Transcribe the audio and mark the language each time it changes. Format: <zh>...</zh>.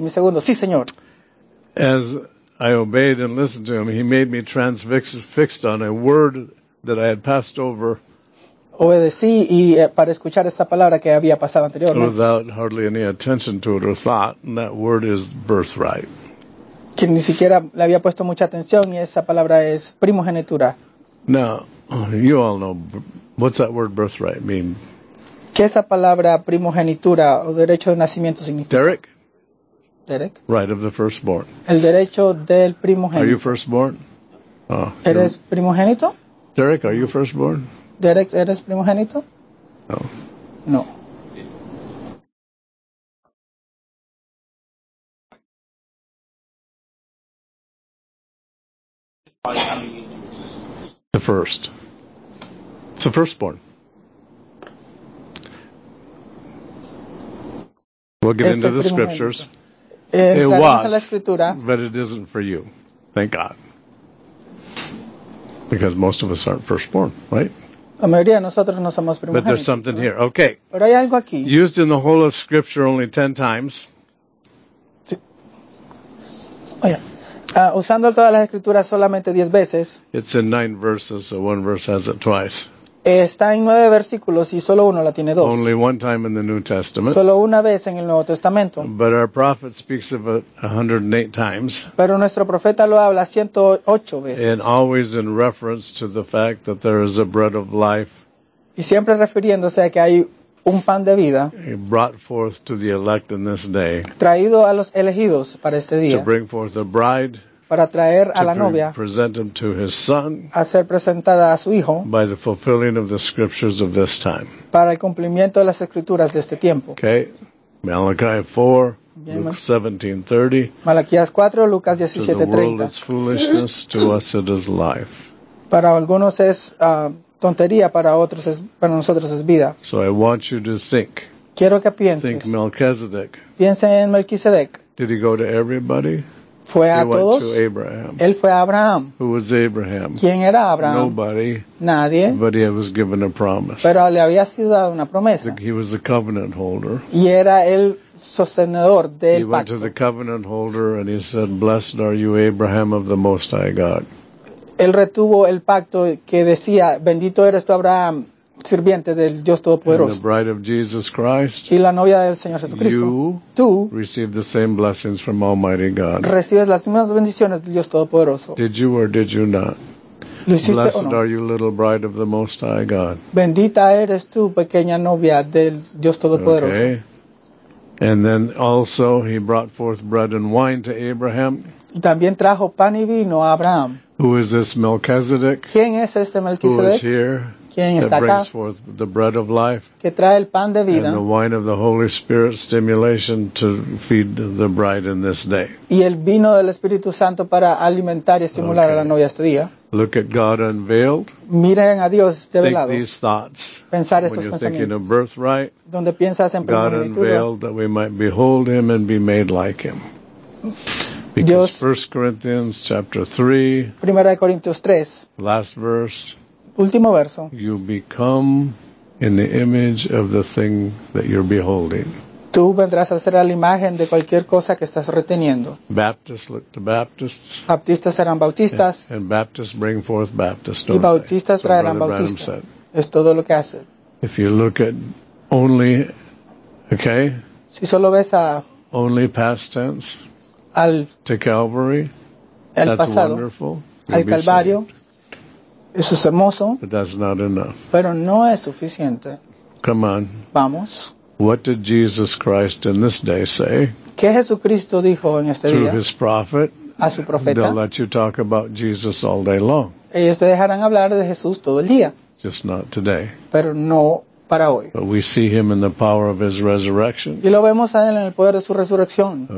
<es>Mi segundo, sí, Señor.</es> <en>As I obeyed and listened to him, he made me transfixed on a word that I had passed over.</en> <es>Obedecí y para escuchar esta palabra que había pasado anteriormente.</es> <en>Without hardly any attention to it or thought, and that word is birthright.</en> <es>Que ni siquiera le había puesto mucha atención y esa palabra es primogenitura.</es> <en>Now, you all know, what's that word birthright mean?</en> <es>¿Qué esa palabra primogenitura o derecho de nacimiento significa?</es> <en>Derek. Right of the firstborn.</en> <es>El derecho del primogénito.</es> <en>Are you firstborn?</en> <es>Oh, ¿eres primogénito?</es> <en>Derek, are you firstborn?</en> <es>Derek, ¿eres primogénito?</es> <en>No.</en> <es>No.</es> <en>The first. It's the firstborn. We'll get into the scriptures. It was, but it isn't for you. Thank God. Because most of us aren't firstborn, right?</en> <es>La mayoría de nosotros no somos</es> <en>primogénitos. But there's something here. Okay.</en> <es>Pero hay algo aquí.</es> <en>Used in the whole of Scripture only 10 times.</en> <es>Usando todas las escrituras solamente 10 veces.</es> <en>It's in 9 verses, so one verse has it twice.</en> <es>Está en 9 versículos y solo uno la tiene 2.</es> <en>Only one time in the New Testament.</en> <es>Solo una vez en el Nuevo Testamento.</es> <en>But our prophet speaks of it 108 times.</en> <es>Pero nuestro profeta lo habla 108 veces.</es> <en>And always in reference to the fact that there is a bread of life.</en> <es>Y siempre refiriéndose a que hay un pan de vida.</es> <en>Brought forth to the elect in this day.</en> <es>Traído a los elegidos para este día.</es> <en>To bring forth the bride.</en> <es>Para traer a la novia,</es> <en>present him to his son,</en> <es>a ser presentada a su hijo,</es> <en>by the fulfilling of the scriptures of this time,</en> <es>para el cumplimiento de las escrituras de este tiempo.</es> <en>Okay, Malachi 4, Luke 17:30.</en> <es>Malaquías 4, Lucas 17:30.</es> <en>To the world is foolishness, to us it is life.</en> <es>Para algunos es tontería, para otros es, para nosotros es vida.</es> <en>So I want you to think.</en> <es>Quiero que pienses.</es> <en>Think Melchizedek.</en> <es>Piense en Melchizedek.</es> <en>Did he go to everybody?</en> <es>Fue a todos.</es> <en>Went to Abraham.</en> <es>Él fue a Abraham.</es> <en>Who was Abraham?</en> <es>¿Quién era Abraham?</es> <en>Nobody.</en> <es>Nadie.</es> <en>But he was given a promise.</en> <es>Pero le había sido dado una promesa.</es> <en>He was the covenant holder.</en> <es>Y era el sostenedor del</es> <en>he He went to the covenant holder and he said, "Blessed are you, Abraham of the Most High God."</en> <es>Él retuvo el pacto que decía, "Bendito eres tú, Abraham, sirviente del Dios Todopoderoso."</es> <en>And the bride of Jesus Christ,</en> <es>y la novia del Señor Jesucristo,</es> <en>you,</en> <es>tú,</es> <en>receive the same blessings from Almighty God.</en> <es>Recibes las mismas bendiciones del Dios Todopoderoso.</es> <en>Did you or did you not? Blessed are you, little bride of the Most High God.</en> <es>Bendita eres tú, pequeña novia del Dios Todopoderoso.</es> <en>Okay. And then also he brought forth bread and wine to Abraham.</en> <es>Y también trajo pan y vino a Abraham.</es> <en>Who is this Melchizedek?</en> <es>¿Quién es este Melchizedek?</es> <en>Who is here? That brings forth the bread of life,</en> <es>que trae el pan de vida,</es> <en>and the wine of the Holy Spirit stimulation to feed the bride in this day.</en> <es>Y el vino del Espíritu Santo para alimentar y estimular a la novia este día.</es> <en>Look at God unveiled.</en> <es>Miren a Dios develado.</es> <en>Think these thoughts.</en> <es>Pensar</es> <en>when</en> <es>estos</es> <en>you're</en> <es>pensamientos.</es> <en>Thinking of birthright,</en> <es>donde piensas en</es> <en>God unveiled that we might behold him and be made like him. Because 1 Corinthians chapter 3,</en> <es>Primera de Corintios 3,</es> <en>last verse,</en> <es>último verso.</es> <en>You become in the image of the thing that you're beholding.</en> <es>Tú vendrás a ser la imagen de cualquier cosa que estás reteniendo.</es> <en>Baptists look to Baptists.</en> <es>Baptistas eran bautistas.</es> <en>And Baptists bring forth Baptists.</en> <es>Y bautistas traerán bautistas. Es todo lo que hace.</es> <en>If you look at only, okay?</en> <es>Si solo ves a</es> <en>only past tense.</en> <es>Al</es> <en>to Calvary.</en> <es>El</es> <en>that's</en> <es>pasado.</es> <en>Wonderful.</en> <es>Al Calvario. Eso es hermoso.</es> <en>But that's not enough.</en> <es>Pero no es suficiente.</es> <en>Come on.</en> <es>Vamos.</es> <en>What did Jesus Christ in this day say?</en> <es>¿Qué Jesucristo dijo en este</es> <en>through</en> <es>día?</es> <en>Through his prophet</en> <es>a su profeta.</es> <en>They'll let you talk about Jesus all day long.</en> <es>Ellos te dejarán hablar de Jesús todo el día.</es> <en>Just not today.</en> <es>Pero no para hoy.</es> <en>But we see him in the power of his resurrection.</en> <es>Y lo vemos a él en el poder de su resurrección.</es>